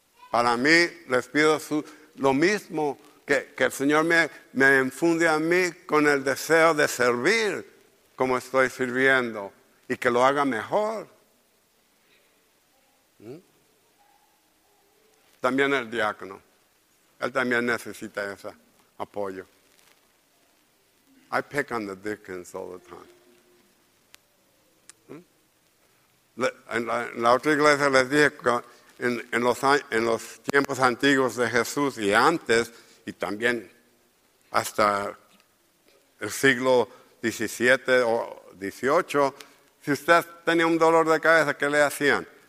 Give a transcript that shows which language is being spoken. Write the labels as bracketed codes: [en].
[es] Para mí, les pido lo mismo que el Señor me infunde a mí con el deseo de servir como estoy sirviendo y que lo haga mejor. También el diácono, él también necesita ese apoyo. [en] I pick on the deacons all the time. [es] En la otra iglesia les dije que en los tiempos antiguos de Jesús y antes, y también hasta el siglo XVII o XVIII, si usted tenía un dolor de cabeza, ¿qué le hacían?